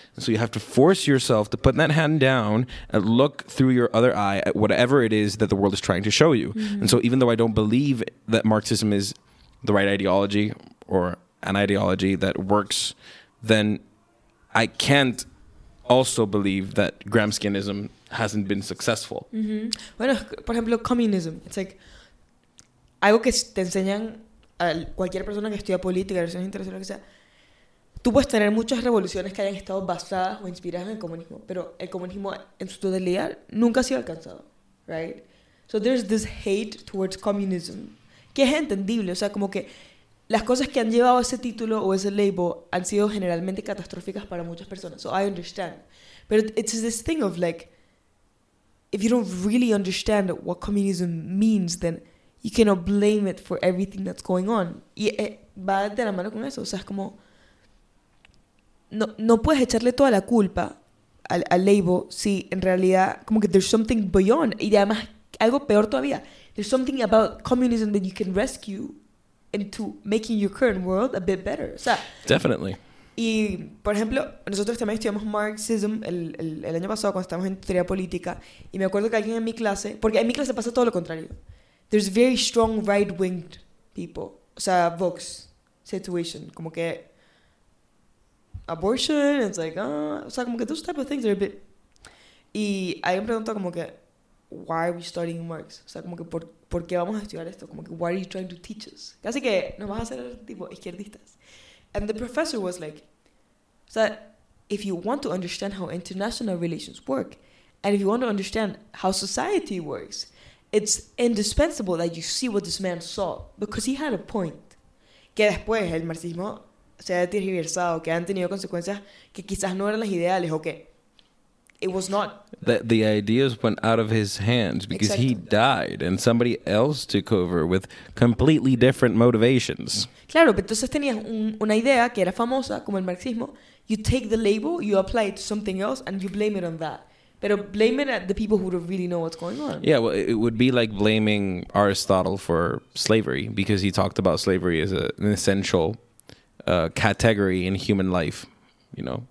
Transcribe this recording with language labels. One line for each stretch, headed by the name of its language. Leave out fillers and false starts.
English: And so you have to force yourself to put that hand down and look through your other eye at whatever it is that the world is trying to show you. Mm-hmm. And so even though I don't believe that Marxism is the right ideology or an ideology that works, then I can't also believe that Gramscianism hasn't been successful.
Spanish: Mm-hmm. Bueno, por ejemplo, communism.
English: It's like,
Spanish: algo que te enseñan a cualquier persona que estudia política, relaciones internacionales, lo que sea, tú puedes tener muchas revoluciones que hayan estado basadas o inspiradas en el comunismo, pero el comunismo en su totalidad nunca ha sido alcanzado,
English: right? So there's this hate towards communism,
Spanish: que es entendible, o sea, como que las cosas que han llevado ese título o ese label han sido generalmente catastróficas para muchas personas,
English: so I understand.
Spanish: Pero it's this thing of like, if you don't really understand what communism means, then you cannot blame it for everything that's going on. Y va de la mano con eso. O sea, es como, no puedes echarle toda la culpa al label si en realidad, como que
English: there's something beyond.
Spanish: Y además, algo peor todavía.
English: There's something about communism that you can rescue into making your current world a bit better.
Spanish: O sea,
English: definitely.
Spanish: Y, por ejemplo, nosotros también estudiamos Marxism el año pasado cuando estábamos en teoría política. Y me acuerdo que alguien en mi clase, porque en mi clase pasa todo lo contrario.
English: There's very strong right-winged people.
Spanish: O sea,
English: Vox situation.
Spanish: Como que
English: abortion, it's like,
Spanish: o sea, como que
English: those type of things are a bit.
Spanish: Y alguien preguntó como que,
English: why are we studying Marx?
Spanish: O sea, como que, ¿por qué vamos a estudiar esto? Como que,
English: why are you trying to teach us?
Spanish: Casi que, nos vas a hacer tipo izquierdistas.
English: And the professor was like,
Spanish: o sea,
English: if you want to understand how international relations work, and if you want to understand how society works, it's indispensable that you see what this man saw, because he had a point.
Spanish: Que después el marxismo se ha tergiversado, que han tenido consecuencias que quizás no eran las ideales, o que
English: it was not. The ideas went out of his hands because exactly. He died and somebody else took over with completely different motivations.
Spanish: Claro, pero entonces tenías una idea que era famosa, como el marxismo.
English: You take the label, you apply it to something else, and you blame it on that. But blame it at the people who don't really know what's going on. Yeah, well, it would be like blaming Aristotle for slavery, because he talked about slavery as an essential category in human life, you know?